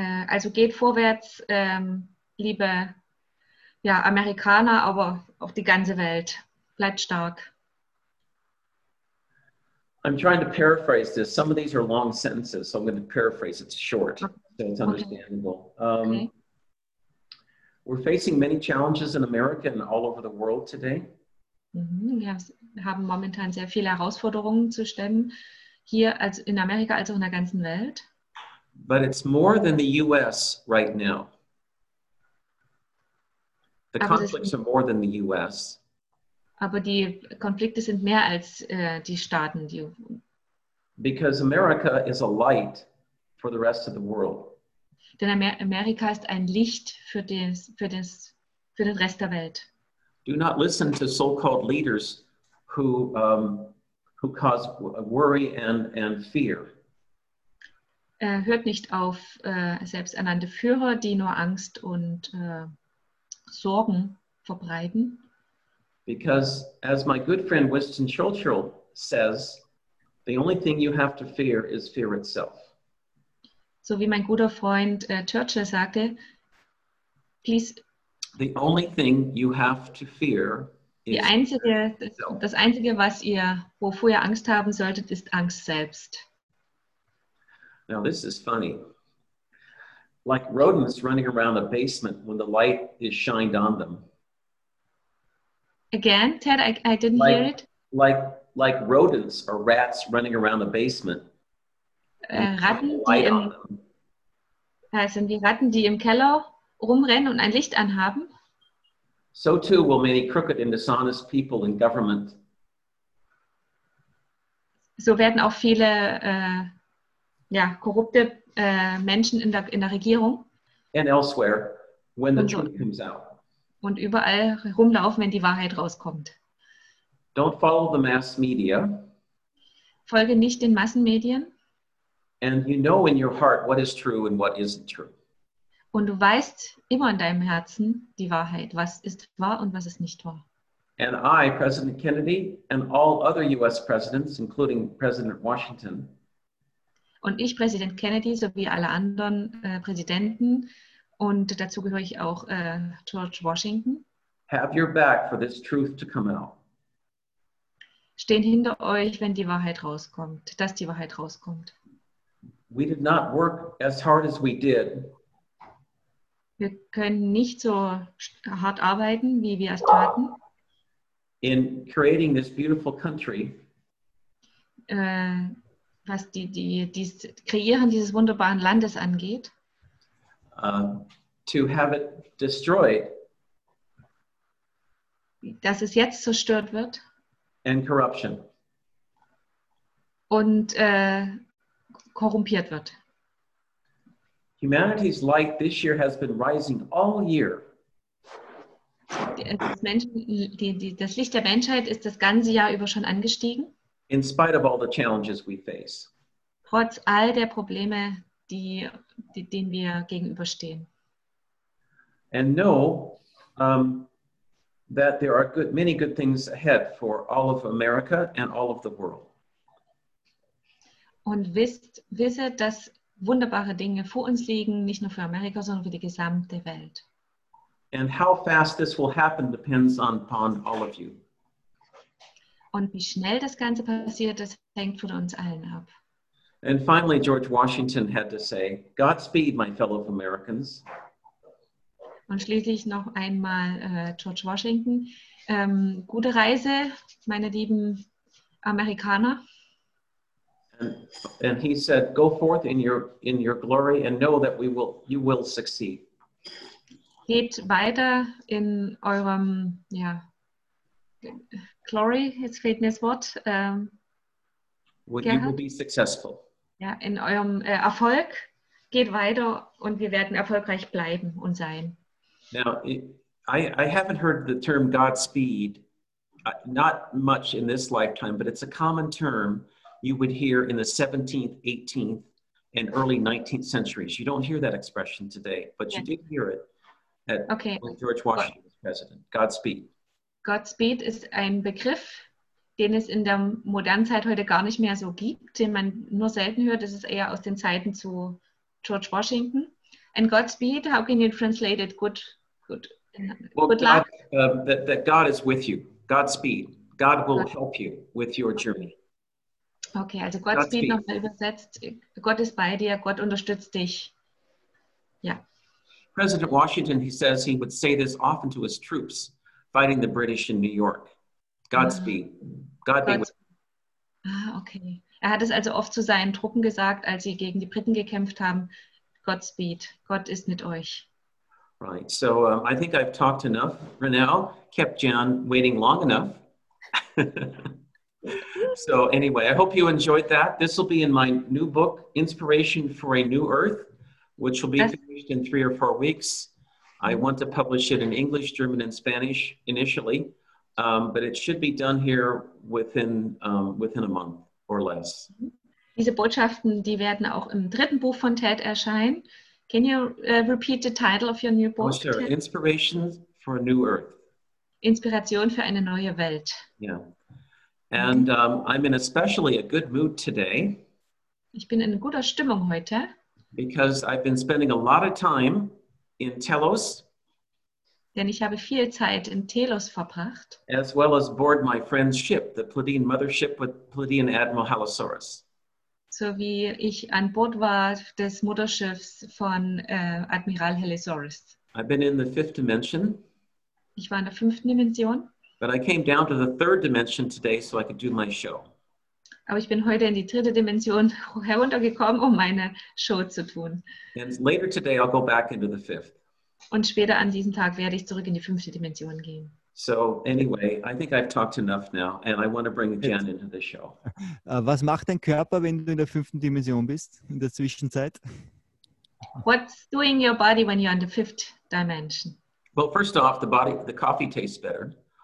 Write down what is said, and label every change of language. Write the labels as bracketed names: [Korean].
[German] Also geht vorwärts, liebe Amerikaner, aber auch die ganze Welt. Bleibt stark. [English] I'm trying to paraphrase this. Some of these are long sentences, so I'm going to paraphrase it. It's short, so it's understandable. We're facing many challenges in America and all over the world today. [German] Wir haben momentan sehr viele Herausforderungen zu stemmen, hier als in Amerika als auch in der ganzen Welt. [English] But it's more than the U.S. right now. The conflicts are more than the U.S. [German] Aber die Konflikte sind mehr als die Staaten. [English] Because America is a light for the rest of the world. [German] Denn Amerika ist ein Licht für den Rest der Welt. [English] Do not listen to so-called leaders who cause worry and fear. [German] Hört nicht auf selbsternannte Führer, die nur Angst und Sorgen verbreiten. [English] Because, as my good friend Winston Churchill says, the only thing you have to fear is fear itself. [German] So wie mein guter Freund Churchill sagte, [English] please. The only thing you have to fear is [German] Das Einzige, was ihr, wovor ihr Angst haben solltet, ist Angst selbst. [English] Now this is funny. like rodents running around a basement when the light is shined on them. Again, Ted, I didn't like, hear it. Like rodents or rats running around a basement. [German] Ratten, die im, sind die Ratten, die im Keller rumrennen und ein Licht anhaben. [English] So too will many crooked and dishonest people in government. [German] So werden auch viele korrupte Menschen in der Regierung. [English] And elsewhere, when the truth comes out. [German] Und überall rumlaufen, wenn die Wahrheit rauskommt. [English] Don't follow the mass media. [German] Folge nicht den Massenmedien. [English] And you know in your heart what is true and what isn't true. [German] Und du weißt immer in deinem Herzen die Wahrheit, was ist wahr und was ist nicht wahr. [English] And I, President Kennedy, and all other US presidents, including President Washington. [German] Und ich, Präsident Kennedy, sowie alle anderen Präsidenten, und dazu gehöre ich auch George Washington. [English] Have your back for this truth to come out. [German] Stehen hinter euch, wenn die Wahrheit rauskommt, dass die Wahrheit rauskommt. [English] We did not work as hard as we did. [German] Wir können nicht so hart arbeiten, wie wir es taten. [English] In creating this beautiful country. [German] Was die Kreieren dieses wunderbaren Landes angeht. [English] To have it destroyed. [German] Dass es jetzt zerstört wird. [English] And corruption. [German] Und korrumpiert wird. [English] Humanity's light this year has been rising all year. [German] Das Licht der Menschheit ist das ganze Jahr über schon angestiegen. [English] In spite of all the challenges we face. [German] Trotz all der Probleme, denen wir gegenüberstehen. [English] And know that there are many good things ahead for all of America and all of the world. [German] Und wisse, dass wunderbare Dinge vor uns liegen, nicht nur für Amerika, sondern für die gesamte Welt. [English] And how fast this will happen depends upon all of you. [German] Und wie schnell das Ganze passiert, das hängt von uns allen ab. [English] And finally, George Washington had to say, Godspeed, my fellow Americans. [German] Und schließlich noch einmal George Washington. Gute Reise, meine lieben Amerikaner. [English] And he said, go forth in your glory and know that you will succeed. [German] Geht weiter in eurem, glory, jetzt fehlt mir das Wort. [English] You will be successful. [German] Ja, in eurem Erfolg, geht weiter und wir werden erfolgreich bleiben und sein. [English] Now, I haven't heard the term Godspeed, not much in this lifetime, but it's a common term you would hear in the 17th, 18th, and early 19th centuries. You don't hear that expression today, but you did hear it when George Washington was president. Godspeed. [German] Godspeed ist ein Begriff, den es in der modernen Zeit heute gar nicht mehr so gibt, den man nur selten hört. Das ist eher aus den Zeiten zu George Washington. [English] And Godspeed, how can you translate it? Good luck. That God is with you. Godspeed. God will help you with your journey. [German] Okay, also Godspeed nochmal übersetzt. Gott ist bei dir, Gott unterstützt dich. Ja. [English] President Washington, he says he would say this often to his troops fighting the British in New York. Godspeed. God be with you. Okay. [German] Er hat es also oft zu seinen Truppen gesagt, als sie gegen die Briten gekämpft haben. Godspeed. Gott ist mit euch. [English] Right. So I think I've talked enough. Renelle kept Jan waiting long enough. So anyway, I hope you enjoyed that. This will be in my new book, Inspiration for a New Earth, which will be finished in 3 or 4 weeks. I want to publish it in English, German, and Spanish initially, but it should be done here within a month or less. [German] Diese Botschaften, die werden auch im dritten Buch von Ted erscheinen. [English] Can you repeat the title of your new book? Oh, sure. Inspiration for a New Earth. [German] Inspiration für eine neue Welt. [English] Yeah. And I'm in especially a good mood today. [German] Ich bin in guter Stimmung heute. [English] Because I've been spending a lot of time in Telos. [German] Denn ich habe viel Zeit in Telos verbracht. [English] As well as board my friend's ship, the Pleiadian mothership with Pleiadian Admiral Halosaurus. [German] So wie ich an Bord war des Mutterschiffs von Admiral Helisaurus. [English] I've been in the fifth dimension. [German] Ich war in der fünften Dimension. [English] But I came down to the third dimension today so I could do my show. [German] Aber ich bin heute in die dritte Dimension heruntergekommen, um meine Show zu tun. [English] And later today I'll go back into the fifth. [German] Und später an diesem Tag werde ich zurück in die fünfte Dimension gehen. [English] So anyway, I think I've talked enough now and I want to bring Jen into the show. [German] Was macht dein Körper, wenn du in der fünften Dimension bist, in der Zwischenzeit? [English] What's doing your body when you're in the fifth dimension? Well, first off, the body, the coffee tastes better.